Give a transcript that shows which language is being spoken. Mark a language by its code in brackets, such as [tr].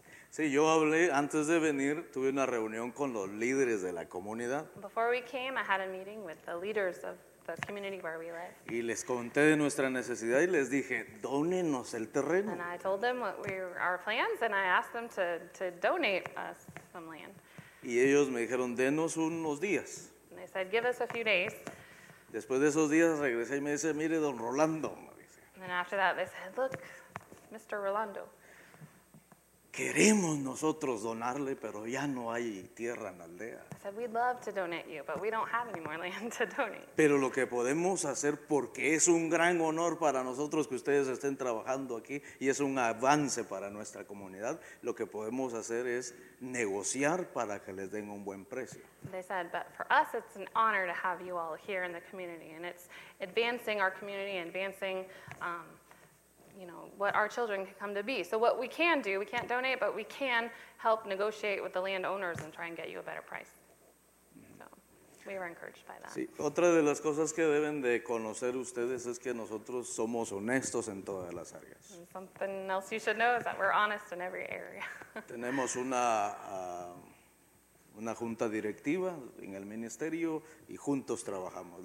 [es] Sí, yo hablé antes de venir, tuve una reunión con los líderes de la comunidad. [en] Before we came, I had a meeting with the leaders of the community where we live. [es] Y les conté de nuestra necesidad y les dije, dónenos el terreno. [en] And I told them what were our plans and I asked them to donate us some land. [es] Y ellos me dijeron, denos unos días. [en] And they said, give us a few days. [es] Después de esos días regresé y me dice, mire, don Rolando. [en] And then after that they said, look, Mr. Rolando. [es] Queremos nosotros donarle, pero ya no hay tierra en la aldea. [en] I said, we'd love to donate you, but we don't have any more land to donate. [es] Pero lo que podemos hacer, porque es un gran honor para nosotros que ustedes estén trabajando aquí y es un avance para nuestra comunidad, lo que podemos hacer es negociar para que les den un buen precio. [en] They said, but for us, it's an honor to have you all here in the community, and it's advancing our community, advancing you know, what our children can come to be. So what we can do, we can't donate, but we can help negotiate with the landowners and try and get you a better price. So we were encouraged by that. [es] Sí, otra de las cosas que deben de conocer ustedes es que nosotros somos honestos en todas las áreas. [en] And something else you should know is that we're honest in every area. [es] Tenemos una junta directiva en el ministerio y juntos trabajamos.